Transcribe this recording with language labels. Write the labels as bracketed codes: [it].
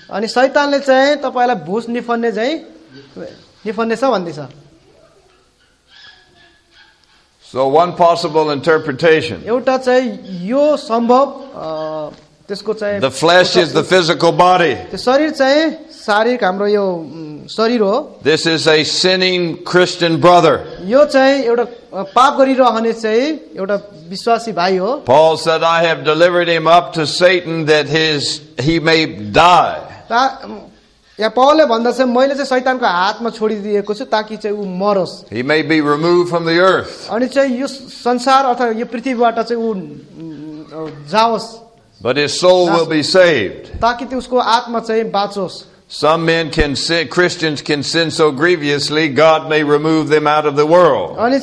[ne] अनि शैतानले चाहिँ तपाईलाई भूस निफन्ने चाहिँ निफन्ने छ भन्दैछ. [en] So one possible interpretation. [ne] एउटा चाहिँ यो सम्भव त्यसको चाहिँ [en] the flesh is the physical body. [ne] त्यो शरीर चाहिँ शारीरिक हाम्रो यो शरीर हो. [en] This is a sinning Christian brother. [ne] यो चाहिँ एउटा पाप गरिरहने चाहिँ एउटा विश्वासी भाइ हो. [en] Paul said, I have delivered him up to Satan that he may die. [ne] या पौलले भन्दछ मैले चाहिँ शैतानको हातमा छोडिदिएको छु ताकि चाहिँ ऊ मरोस्. [en] He may be removed from the earth. [ne] अनि चाहिँ यो संसार अथवा यो पृथ्वीबाट चाहिँ ऊ जाओस्. [en] But his soul will be saved. [ne] ताकि उसको आत्मा चाहिँ बाँचोस्. [en] Some men can sin, Christians can sin so grievously, God may remove them out of the world.